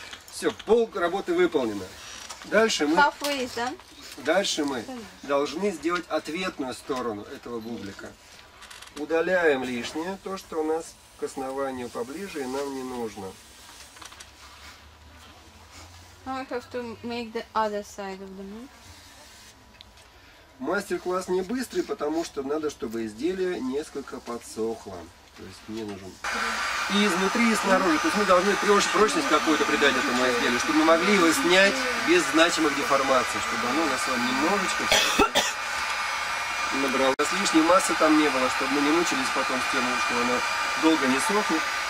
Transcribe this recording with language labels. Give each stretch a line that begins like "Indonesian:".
Russian: Все, пол работы выполнено. Дальше мы. Дальше мы должны сделать ответную сторону этого бублика. Удаляем лишнее, то, что у нас к основанию поближе и нам не нужно.
English: Now I have to make the other side of the moon.
Russian: Мастер-класс не быстрый, потому что надо, чтобы изделие несколько подсохло. То есть мне нужен и изнутри, и снаружи. То есть мы должны прочность какую-то придать этому изделию, чтобы мы могли его снять без значимых деформаций, чтобы оно у нас вам немножечко набрало. У нас лишней массы там не было, чтобы мы не мучились потом с тем, что оно долго не сохнет.